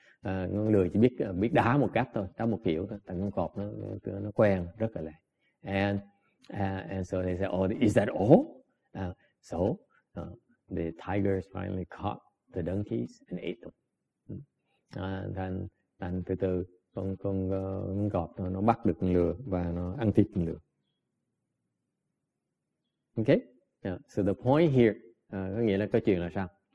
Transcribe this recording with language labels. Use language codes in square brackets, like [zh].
[vi] Con lừa chỉ biết đá một cách thôi, đá một kiểu thôi. Thằng con cọp nó quen rất là lẹ. [en] And so they said, oh, is that all? The tigers finally caught the donkeys and ate them. [vi] Then từ từ con cọp nó bắt được con lừa và nó ăn thịt con lừa. [en] Okay, yeah. So the point here, [vi] có nghĩa là câu chuyện là sao?